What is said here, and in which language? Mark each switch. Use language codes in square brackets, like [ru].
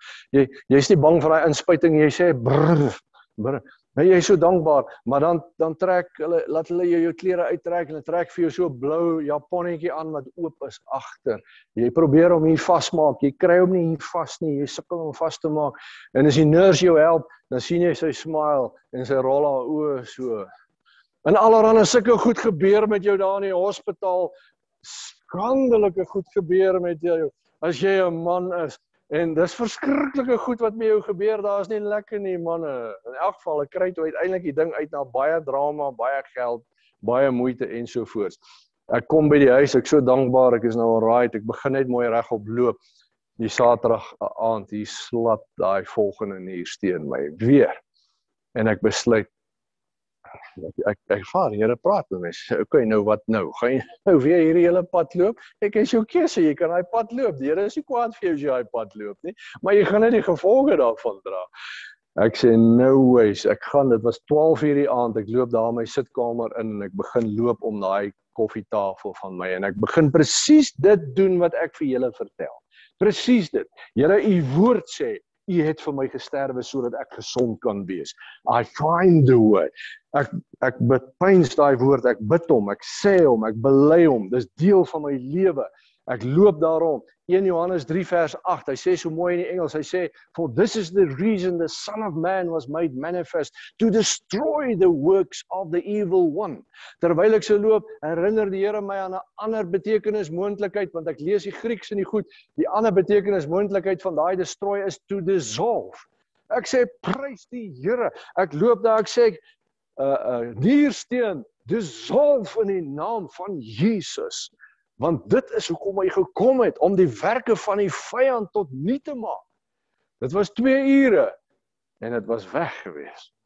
[af] Jy is nie bang vir die inspuiting, jy sê, nee, jy is so dankbaar, maar dan trek hulle, laat hulle jou klere uittrek, en hulle trek vir jou so blou japonnetjie aan, wat oop is achter. Jy probeer om hier vasmaak, jy kry hom nie hier vas nie, jy sukkel om vas te maak, en as die nurse jou help, dan sien jy sy smile, en sy rol haar oë so, En allerhande sulke goed gebeur met jou daar in die hospitaal. Skandelike goed gebeur met jou. As jy 'n man is. En dis verskriklike goed wat met jou gebeur. Daar is nie lekker nie, manne. In elk geval, ek kry toe uiteindelik die ding uit na baie drama, baie geld, baie moeite en so voort. Ek kom by die huis, ek so dankbaar, ek is nou al right. Ek begin net mooi reg op loop. Die saterdag aand, hier slap daai volgende niersteen my weer. En ek besluit, ek vaar, Here praat met my, okay, nou wat nou, ga jy nou weer hierdie hele pad loop? Ek is jou keuse, jy kan die pad loop, die Here is nie kwaad vir jou as jy die pad loop nie, maar jy gaan net die gevolge daarvan dra. Ek sê, [en] no ways, [af] ek gaan, dit was 12 uur die aand, ek loop daar my sitkamer in en ek begin loop om na die koffietafel van my en ek begin precies dit doen wat ek vir julle vertel. Precies dit. Julle, die woord sê, U het vir my gesterwe sodat ek gesond kan wees. [en] I find the word. [af] Ek bepyns daai woord, ek bid hom, ek sê hom, ek bely hom. Dis deel van my lewe. Ek loop daarom. 1 Johannes 3 vers 8. Hy sê so mooi in die Engels. Hy sê [en] for this is the reason the son of man was made manifest to destroy the works of the evil one. [af] Terwyl ek so loop, herinner die Here my aan 'n ander betekenis moontlikheid want ek lees die Grieks in die goed. Die ander betekenis moontlikheid van daai destroy is [en] to dissolve. [af] Ek sê prys die Here. Ek loop daar ek sê niersteen dissolve in die naam van Jesus. Want dit is hoekom hy gekom het, om die werke van die vyand tot niet te maak. Dit was 2 ure, en het was weg gewees.